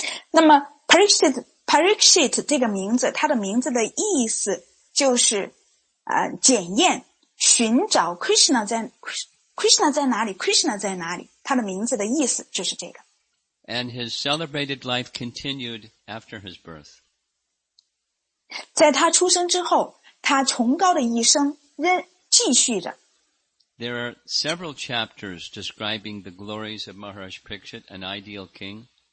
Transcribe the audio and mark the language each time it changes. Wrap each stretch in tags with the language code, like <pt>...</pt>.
<zh>那么Parikshit这个名字， 他的名字的意思就是， 检验。寻找Krishna在哪里， Krishna在哪里， 他的名字的意思就是这个。</zh> <en>And his celebrated life continued after his birth.</en> <zh>在他出生之后， 他崇高的一生继续着。</zh> <en>There are several chapters describing the glories of Maharaj Parikshit, an ideal king.</en>